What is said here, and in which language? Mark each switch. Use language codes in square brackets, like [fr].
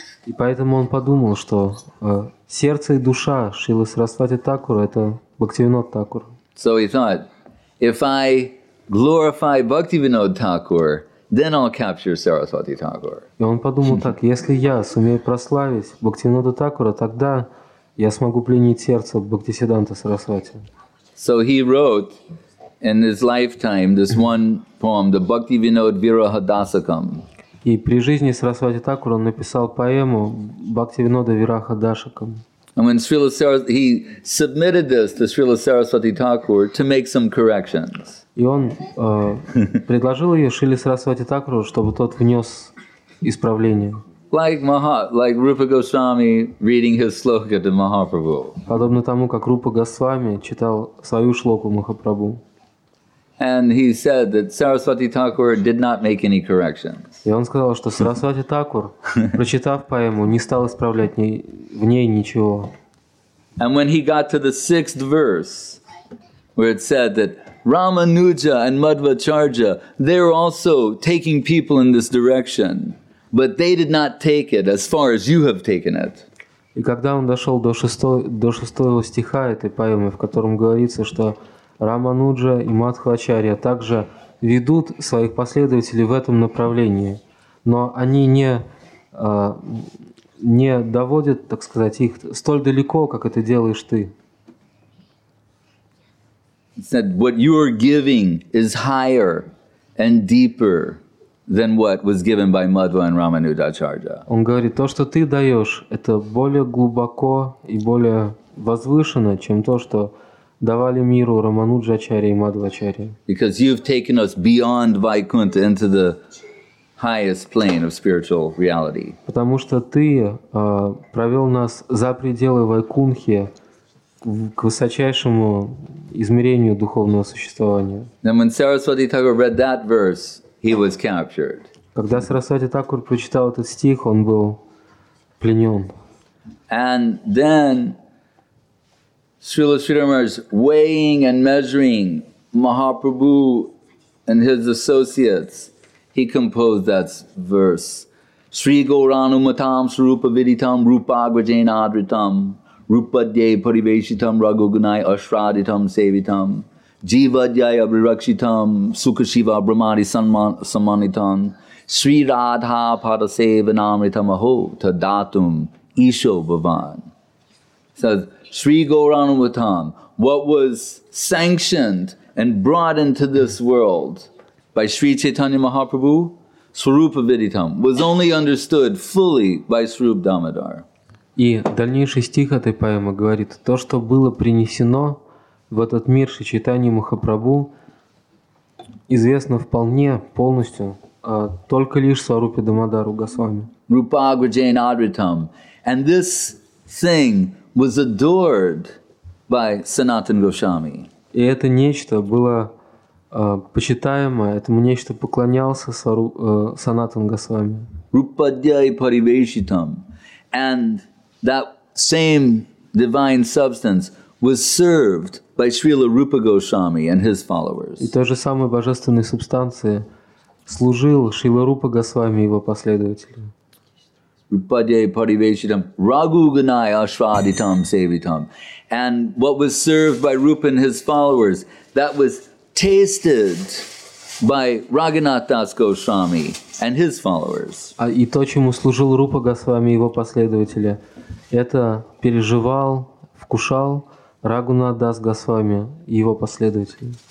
[ru] И поэтому он подумал, что сердце и душа Шрилы Сарасвати Такура – это Бхакти Винод Такур. [en] So he thought, if I glorify Bhakti Vinod Thakur, then I'll capture Saraswati Thakur. [ru] И он подумал так, если я сумею прославить Бхакти Винода Такура, тогда я смогу пленить сердце Бхакти Сиддханты Сарасвати. [en] So he wrote in his lifetime this one poem, the Bhakti Vinod Viraha Dasakam. [ru] И при жизни Сарасвати Такура он написал поэму Бхакти Винода Вираха Дашакам. [en] And when Srila Saraswati, he submitted this to Srila Saraswati Thakur to make some corrections. [ru] И он предложил ее Шиле Сарасвати Такуру, чтобы тот внес исправление. [en] Like like Rupa Goswami reading his sloka to Mahaprabhu. [ru] Подобно тому, как Рупа Госвами читал свою шлоку Махапрабху. [en] And he said that Saraswati Thakur did not make any corrections. [ru] И он сказал, что Сарасвати Такур, прочитав поэму, не стал исправлять в ней ничего. [en] And when he got to the sixth verse, where it said that Ramanuja and Madhvacharya, they're also taking people in this direction, but they did not take it as far as you have taken it. [ru] И когда он дошел до шестого стиха этой поэмы, в котором говорится, что Рамануджа и Мадхвачарья также ведут своих последователей в этом направлении, но они не доводят, так сказать, их столь далеко, как это делаешь ты. [en] Said what you are giving is higher and deeper than what was given by Madhva and Ramanujacharya. [ru] Он говорит, то, что ты даешь, это более глубоко и более возвышенно, чем то, что давали миру Рамануджачарья и Мадхвачарья. [en] Because you've taken us beyond Vaikuntha into the highest plane of spiritual reality. [ru] Потому что ты провел нас за пределы Вайкунхи к высочайшему измерению духовного существования. [en] And when Saraswati Thakur read that verse, he was captured. [ru] Когда Сарасвати Такур прочитал этот стих, он был пленен. [en] And then Srila Sridhar's weighing and measuring Mahaprabhu and his associates, he composed that verse. [sa] Sri Gauranumatam Sarupa Viditam Rupagrajena Adritam Rupadye Pariveshitam Ragugunai Ashraditam Sevitam Jivadyaya Virakshitam Sukhashiva Brahmadi Samanitam Sri Radha Padasevanamritam Aho Tadatum Isho Bhavan. [en] Says, [sa] Sri Gauranumatam, [en] what was sanctioned and brought into this world by Sri Chaitanya Mahaprabhu, [sa] Swarupa Viditam, [en] was only understood fully by Swarupa Damodar. [ru] И дальнейший стих этой поэмы говорит, то, что было принесено в этот мир Шри Чайтанья Махапрабху, известно вполне, полностью, только лишь Сварупе Дамодару Госвами. [sa] Rupa Agrajena Adritam. [en] And this thing was adored by Sanatan Goswami. [ru] И это нечто было почитаемо, этому нечто поклонялся Санатан Госвами. [sa] Rupadyai Parivesitam. [en] And that same divine substance was served by Srila Rupa Goswami and his followers. [ru] И той же самой божественной субстанции служил Шрила Рупа Госвами и его последователи. [sa] Rupadyai Parivesitam, Ragugunai Ashraditam Sevitam. [en] And what was served by Rupa and his followers, that was tasted by Raghunath Das Goswami and his followers. [ru] И то, чему служил Рупа Госвами и его последователи, это переживал, вкушал Рагунат Дас Госвами и его последователи.